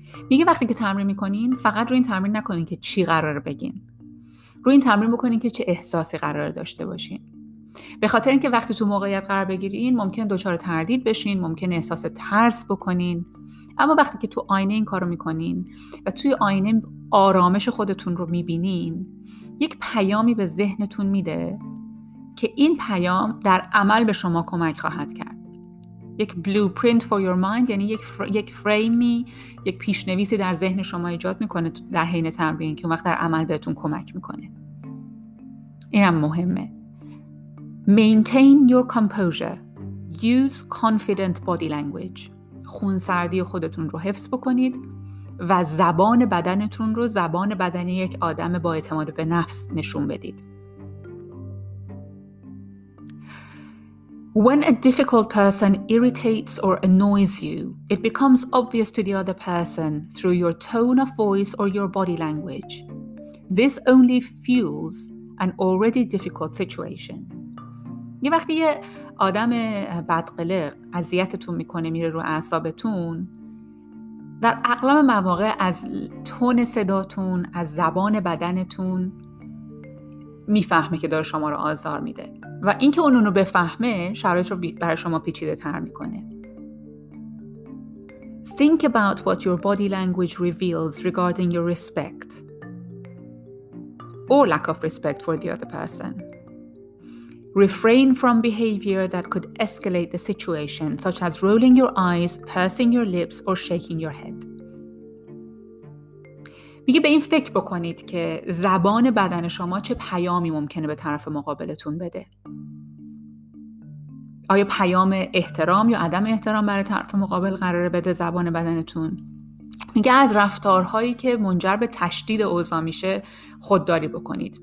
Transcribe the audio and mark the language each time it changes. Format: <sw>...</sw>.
<fa>میگه وقتی که تمرین میکنین فقط روی این تمرین نکنین که چی قرار بگین. روی این تمرین بکنین که چه احساسی قرار داشته باشین. به خاطر اینکه وقتی تو موقعیت قرار بگیرین ممکن دچار تردید بشین، ممکن احساس ترس بکنین. اما وقتی که تو آینه این کارو میکنین و توی آینه آرامش خودتون رو میبینین، یک پیامی به ذهنتون میده که این پیام در عمل به شما کمک خواهد کرد. یک</fa> <en>blueprint for your mind،</en> <fa>یعنی یک فریمی، یک پیشنویسی در ذهن شما ایجاد میکنه در حین تمرین که اون وقت در عمل بهتون کمک میکنه. اینم مهمه.</fa> <en>Maintain your composure. Use confident body language.</en> <fa>خونسردی خودتون رو حفظ بکنید و زبان بدنتون رو زبان بدن یک آدم با اعتماد به نفس نشون بدید.</fa> <en>When a difficult person irritates or annoys you, it becomes obvious to the other person through your tone of voice or your body language. This only fuels an already difficult situation.</en> <fa>یه وقتی یه آدم بدقلق اذیتتون میکنه، میره رو اعصابتون، در اغلب مواقع از تون صداتون، از زبان بدنتون میفهمه که داره شما رو آزار میده و اینکه اون رو بفهمه شرایط رو برای شما پیچیده تر میکنه.</fa> <en>Think about what your body language reveals regarding your respect or lack of respect for the other person. Refrain from behavior that could escalate the situation, such as rolling your eyes, pursing your lips, or shaking your head.</en> <fa>میگه به این فکر بکنید که زبان بدن شما چه پیامی ممکنه به طرف مقابلتون بده. آیا پیام احترام یا عدم احترام برای طرف مقابل قراره بده زبان بدنتون؟ میگه از رفتارهایی که منجر به تشدید اوضاع میشه خودداری بکنید.</fa>